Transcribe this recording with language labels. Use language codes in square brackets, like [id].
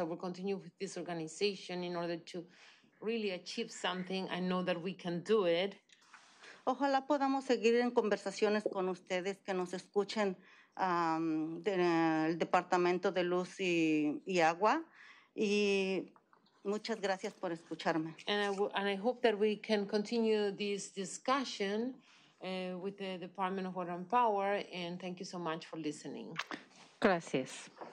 [en] I will continue with this organization in order to really achieve something. I know that we can do it. [es] Ojalá podamos seguir en conversaciones con ustedes que nos escuchen del Departamento de Luz y Agua. Y muchas gracias por escucharme. [en] And I hope that we can continue this discussion with the Department of Water and Power. And thank you so much for listening. [es] Gracias.